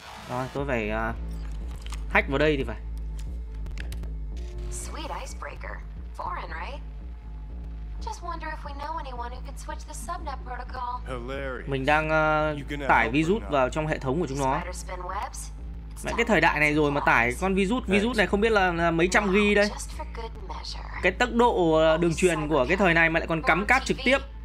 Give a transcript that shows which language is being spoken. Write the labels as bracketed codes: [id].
[vi] Rồi tôi phải hack vào đây thì phải. [en] Sweet icebreaker. Foreign, right? Just wonder if we know anyone who can switch the subnet protocol. Hilarious. [vi] Mình đang tải virus vào trong hệ thống của chúng nó. Mẹ cái thời đại này rồi mà tải con virus này không biết là mấy trăm ghi đây. Cái tốc độ đường truyền của cái thời này mà lại còn cắm cáp trực tiếp.